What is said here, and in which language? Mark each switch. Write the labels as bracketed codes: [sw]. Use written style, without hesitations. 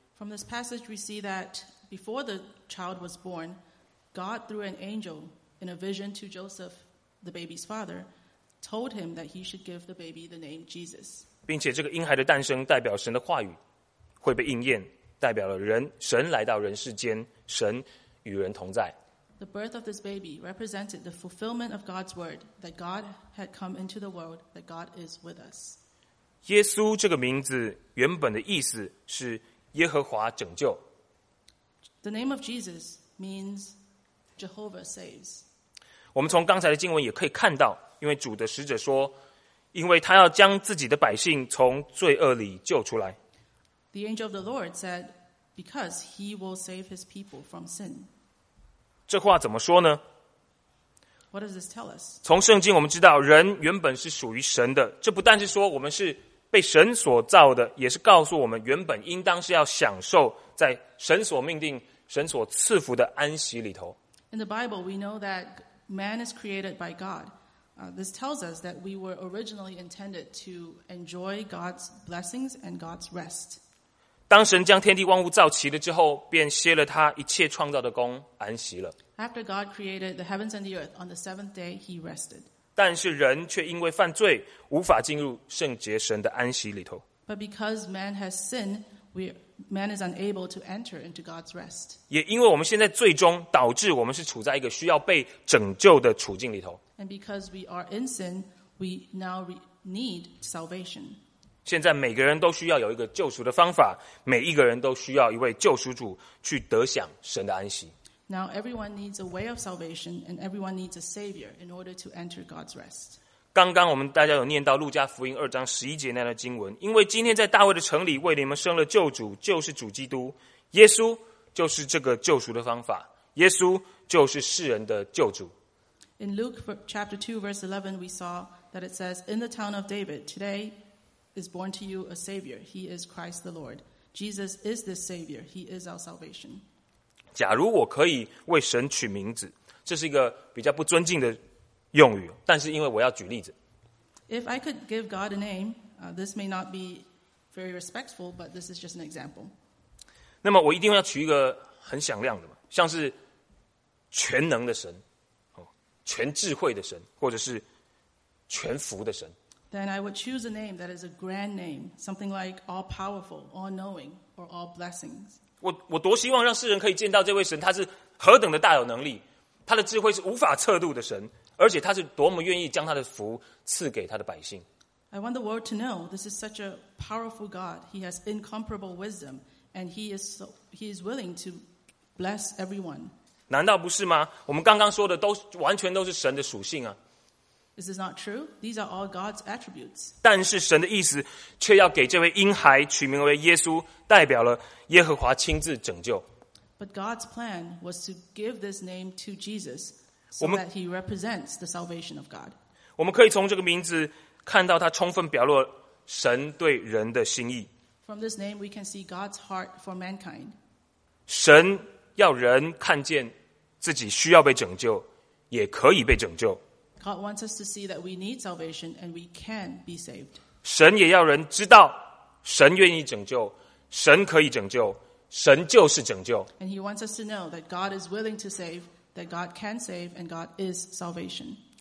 [en] From this passage, we see that before the child was born, God through an angel in a vision to Joseph. The baby's father told him that he should give the baby the name Jesus. [zh] 并且这个婴孩的诞生代表神的话语会被应验，代表了神来到人世间，神与人同在。 [en] The birth of this baby represented the fulfillment of God's word that God had come into the world, that God is with us. [zh] 耶稣这个名字原本的意思是耶和华拯救。 [en] The name of Jesus means Jehovah saves. [zh] 我们从刚才的经文也可以看到，因为主的使者说，因为他要将自己的百姓从罪恶里救出来。 [en] The angel of the Lord said, because he will save his people from sin. [zh] 这话怎么说呢？ [en] What does this tell us? [zh] 从圣经我们知道，人原本是属于神的，这不但是说我们是被神所造的，也是告诉我们原本应当是要享受在神所命定、神所赐福的安息里头。 [en] In the Bible, we know that. Man is created by God. This tells us that we were originally intended to enjoy God's blessings and God's rest. [zh] 当神将天地万物造齐了之后，便歇了他一切创造的功，安息了。 [en] After God created the heavens and the earth on the seventh day, he rested. [zh] 但是人却因为犯罪，无法进入圣洁神的安息里头。 [en] But because man has sinned, man is unable to enter into God's rest. [zh] 也因为我们现在最终导致我们是处在一个需要被拯救的处境里头。 [en] And because we are in sin, we now need salvation. [zh] 现在每个人都需要有一个救赎的方法，每一个人都需要一位救赎主去得享神的安息。 [en] Now everyone needs a way of salvation, and everyone needs a savior in order to enter God's rest. [zh] 刚刚我们大家有念到路加福音二章十一节那样的经文，因为今天在大卫的城里为你们生了救主，就是主基督耶稣，就是这个救赎的方法，耶稣就是世人的救主。 [en] In Luke chapter 2 verse 11 we saw that it says, In the town of David today is born to you a Savior. He is Christ the Lord. Jesus is the Savior. He is our salvation. [zh] 假如我可以为神取名字，这是一个比较不尊敬的用语，但是因为我要举例子。 [en] If I could give God a name, this may not be very respectful, but this is just an example. [zh] 那么我一定要取一个很响亮的嘛，像是全能的神，全智慧的神，或者是全福的神。 [en] Then I would choose a name that is a grand name, something like all-powerful, all-knowing, or all-blessings. [zh] 我多希望让世人可以见到这位神，他是何等的大有能力，他的智慧是无法测度的神，而且他是多么愿意将他的福赐给他的百姓。 [en] I want the world to know this is such a powerful God. He has incomparable wisdom, and he is willing to bless everyone. [zh] 难道不是吗？我们刚刚说的都完全都是神的属性啊。 [en] This is not true. These are all God's attributes. [zh] 但是神的意思却要给这位婴孩取名为耶稣，代表了耶和华亲自拯救。 [en] But God's plan was to give this name to Jesus so that he represents the salvation of God. [zh] 我们可以从这个名字看到他充分表露神对人的心意。 [en] From this name, we can see God's heart for mankind. [zh] 神要人看见自己需要被拯救，也可以被拯救。 [en] God wants us to see that we need salvation and we can be saved. [zh] 神也要人知道神愿意拯救，神可以拯救，神就是拯救。 [en] And he wants us to know that God is willing to save, that God can save, and God is salvation.